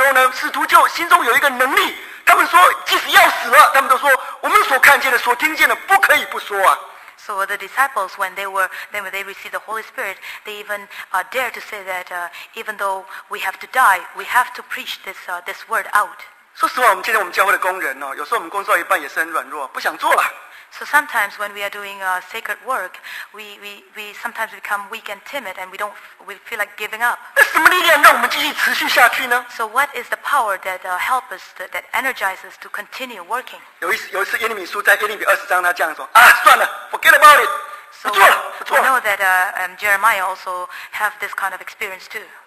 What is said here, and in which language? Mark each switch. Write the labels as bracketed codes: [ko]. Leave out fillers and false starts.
[zh] 同样的力量看到临到使徒身上的时候呢,使徒就心中有一个能力。他们说,即使要死了,他们都说,我们所看见的,所听见的,不可以不说啊。So [en] the disciples, when they received the Holy Spirit, they even dared to say that even though we have to die, we have to preach this word out. [zh] 说实话,我们今天我们教会的工人,有时候我们工作一半也是很软弱,不想做了。 [en] So sometimes when we are doing sacred work, we sometimes become weak and timid, and we feel like giving up. [zh] 那什么力量让我们继续持续下去呢? [en] So what is the power that helps us, that energizes us to continue working? [zh] 有一次耶利米书在耶利米20章他这样说,啊,算了, [en] forget about it, [zh] 不做了, [en] we know that Jeremiah also have this kind of experience too.